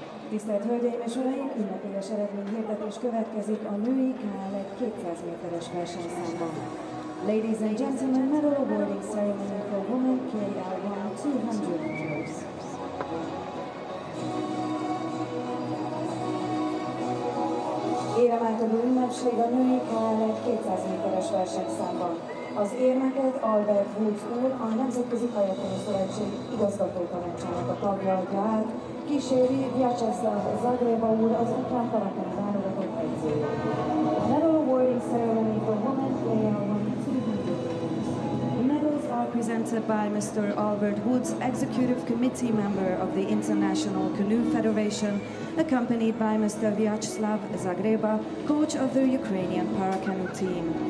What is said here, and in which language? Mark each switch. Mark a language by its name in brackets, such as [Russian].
[Hungarian] Tisztelt Hölgyeim és Uraim, ünnepélyes eredményhirdetés következik a női K1 200 méteres versenyszámban. [English] Ladies and gentlemen, medal awarding ceremony for women KR1 200 meters. [Hungarian] Érem átadó ünnepség a női K1 200 méteres versenyszámban. Az érmeket Albert Woods úr, a Nemzetközi Kajakkenu Szövetség igazgató tanácsának a tagja adja át, kíséri Vyacheslav Zagreba úr, az ukrán kajakkenu válogatott edzője. [English] Medal awarding ceremony for women KR1 200 meters. Medals are presented by Mr. Albert Woods, executive committee member of the International Canoe Federation, accompanied by Mr. Vyacheslav Zagreba, coach of the Ukrainian Paracanoe team.